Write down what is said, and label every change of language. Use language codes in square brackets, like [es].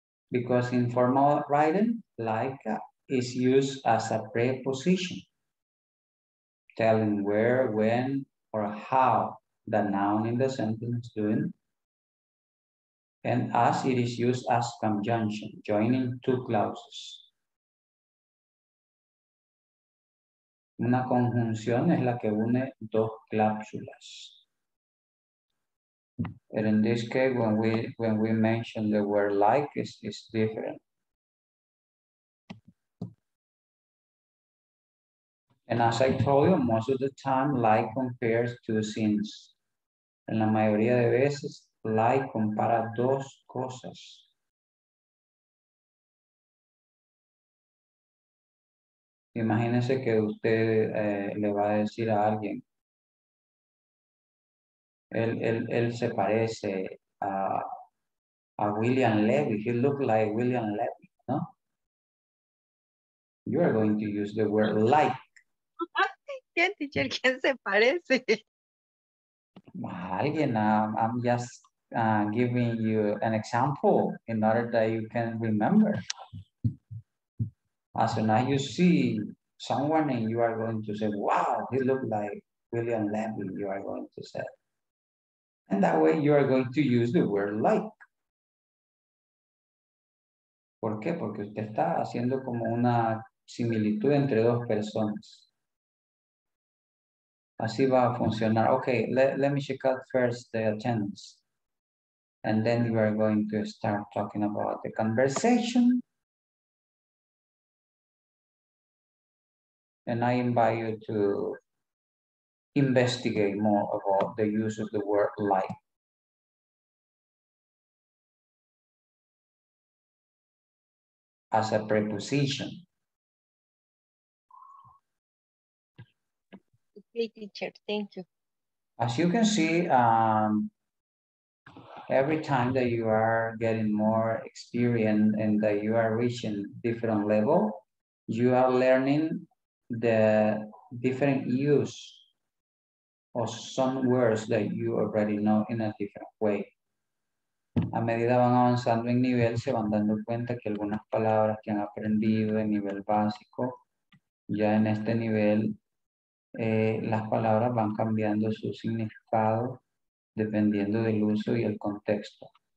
[en] Because in formal writing, like is used as a preposition, telling where, when, or how the noun in the sentence is doing. And as it is used as conjunction, joining two clauses. [es] Una conjunción es la que une dos cláusulas. [en] And in this case, when we mention the word like, it's different. And as I told you, most of the time, like compares two things. [es] En la mayoría de veces, like compara dos cosas. Imagínense que usted le va a decir a alguien, él se parece a William Levy, [en] he looks like William Levy, [es] ¿no? [en] You are going to use the word like. [es] ¿Quién, teacher? ¿Quién se parece? Alguien, [en] I'm just giving you an example in order that you can remember. As soon as you see someone and you are going to say, wow, he looked like William Levy, you are going to say. And that way you are going to use the word like. [es] ¿Por qué? Porque usted está haciendo como una similitud entre dos personas. Así va a funcionar. [en] Okay, let me check out first the attendance. And then we are going to start talking about the conversation. And I invite you to investigate more about the use of the word like. As a preposition. Okay, teacher, thank you. As you can see, every time that you are getting more experience and that you are reaching different level, you are learning the different use of some words that you already know in a different way. [es] A medida van avanzando en nivel, se van dando cuenta que algunas palabras que han aprendido en nivel básico, ya en este nivel, las palabras van cambiando su significado dependiendo del uso y el contexto.